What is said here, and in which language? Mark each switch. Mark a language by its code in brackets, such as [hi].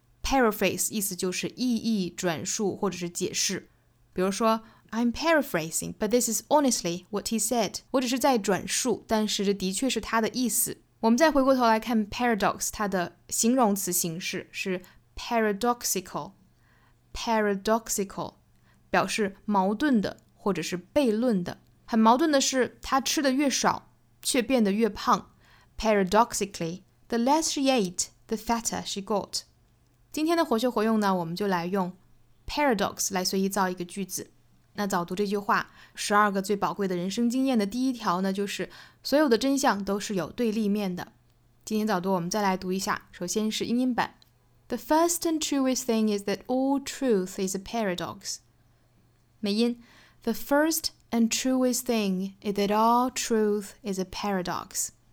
[zh] Paraphrase 意思就是意义转述或者是解释，比如说 [en] I'm paraphrasing but this is honestly what he said， [zh] 我只是在转述，但是这的确是他的意思。我们再回过头来看 paradox， 它的形容词形式是 paradoxical， paradoxical表示矛盾的或者是悖论的。很矛盾的是他吃的越少却变得越胖。 [en] Paradoxically, the less she ate, the fatter she got. [zh] 今天的活学活用呢，我们就来用 paradox 来随意造一个句子。那早读这句话，十二个最宝贵的人生经验的第一条呢，就是所有的真相都是有对立面的。今天早读我们再来读一下，首先是英音版。 [en] The first and truest thing is that all truth is a paradox. [zh] 美音 [en] The first and truest thing is that all truth is a paradox.